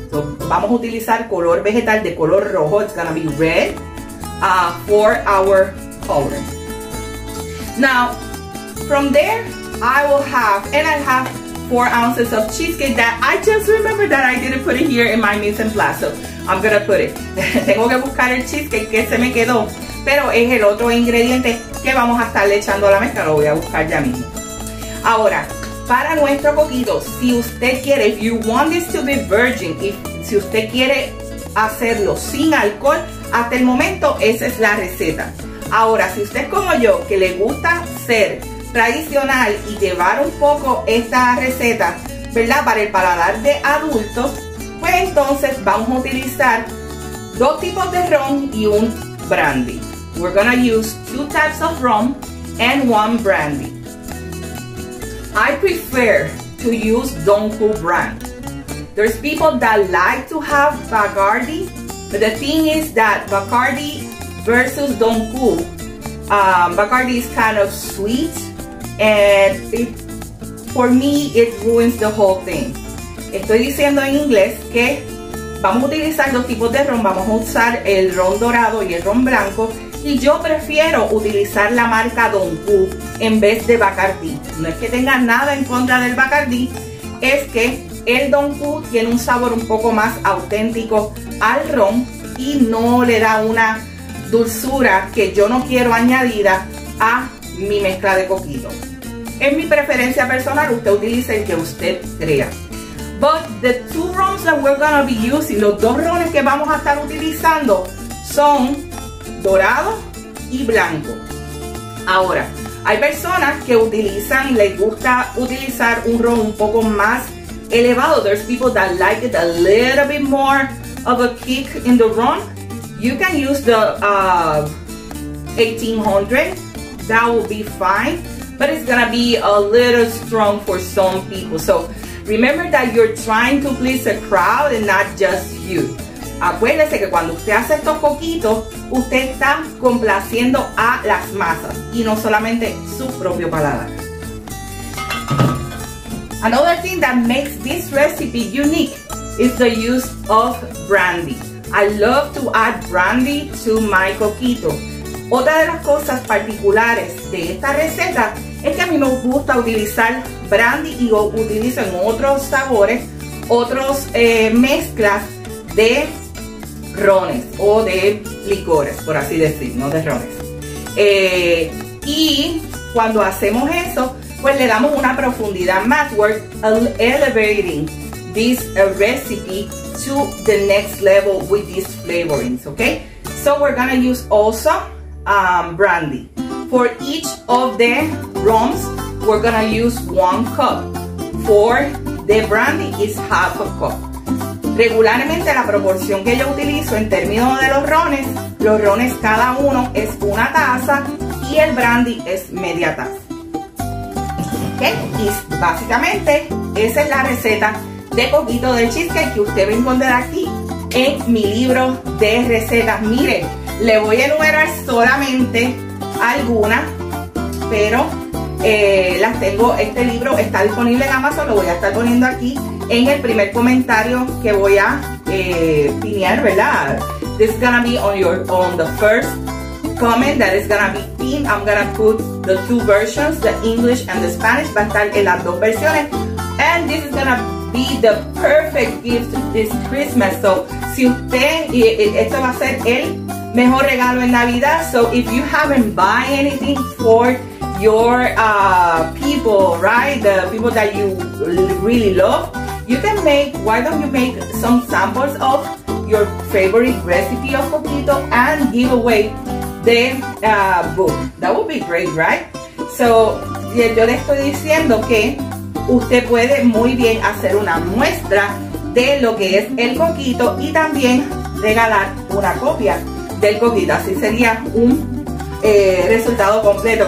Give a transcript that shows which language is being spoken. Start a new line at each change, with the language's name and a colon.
Spanish: So vamos a utilizar color vegetal de color rojo.
English: It's gonna be red for our color. Now, from there, I have 4 ounces of cheesecake that I just remembered that I didn't put it here in my mise en place. So I'm gonna put it.
Spanish: Tengo que buscar el cheesecake que se me quedó. Pero es el otro ingrediente que vamos a estarle echando a la mezcla. Lo voy a buscar ya mismo. Ahora, para nuestro coquito, si usted quiere,
English: if you want this to be virgin,
Spanish: si usted quiere hacerlo sin alcohol, hasta el momento esa es la receta. Ahora, si usted es como yo, que le gusta ser tradicional y llevar un poco esta receta, ¿verdad?, para el paladar de adultos, pues entonces vamos a utilizar 2 tipos de ron y un brandy.
English: We're gonna use 2 types of rum and 1 brandy. I prefer to use Don Q brand. There's people that like to have Bacardi, but the thing is that Bacardi versus Don Q, Bacardi is kind of sweet, and for me it ruins the whole thing.
Spanish: Estoy diciendo en inglés que vamos a utilizar 2 tipos de ron. Vamos a usar el ron dorado y el ron blanco. Y yo prefiero utilizar la marca Don Q en vez de Bacardi. No es que tenga nada en contra del Bacardi. Es que el Don Q tiene un sabor un poco más auténtico al ron. Y no le da una dulzura que yo no quiero añadida a mi mezcla de coquito. Es mi preferencia personal. Usted utilice el que usted crea.
English: But the 2 rums that we're going to be using,
Spanish: los 2 rones que vamos a estar utilizando son dorado y blanco. Ahora, hay personas que utilizan, les gusta utilizar un ron un poco más elevado.
English: There's people that like it a little bit more of a kick in the ron. You can use the 1800. That will be fine. But it's going to be a little strong for some people. So remember that you're trying to please a crowd and not just you.
Spanish: Acuérdese que cuando usted hace estos coquitos, usted está complaciendo a las masas y no solamente su propio paladar.
English: Another thing that makes this recipe unique is the use of brandy. I love to add brandy to my coquito.
Spanish: Otra de las cosas particulares de esta receta es que a mí me gusta utilizar brandy y utilizo en otros sabores, otros mezclas de rones o de licores, por así decir, no de rones. Y cuando hacemos eso, pues le damos una profundidad más.
English: We're elevating this recipe to the next level with this flavorings, ¿ok? so we're gonna use also brandy. For each of the rums, we're gonna use 1 cup. For the brandy, it's 1/2 cup.
Spanish: Regularmente la proporción que yo utilizo en términos de los rones cada uno es 1 taza y el brandy es 1/2 taza. Okay? Y básicamente esa es la receta de coquito de cheesecake que usted va a encontrar aquí en mi libro de recetas. Mire, le voy a enumerar solamente algunas, pero las tengo, este libro está disponible en Amazon, lo voy a estar poniendo aquí en el primer comentario que voy a pinear, ¿verdad?
English: This is gonna be on the first comment that is gonna be pinned. I'm gonna put the 2 versions, the English and the Spanish,
Spanish: va a estar en las 2 versiones.
English: And this is gonna be the perfect gift this Christmas.
Spanish: So, si usted, esto va a ser el mejor regalo en Navidad.
English: So, if you haven't buy anything for your people, right? The people that you really love, you can make, why don't you make some samples of your favorite recipe of coquito and give away the book. That would be great, right?
Spanish: So, yo le estoy diciendo que usted puede muy bien hacer una muestra de lo que es el coquito y también regalar una copia del coquito. Así sería un resultado completo.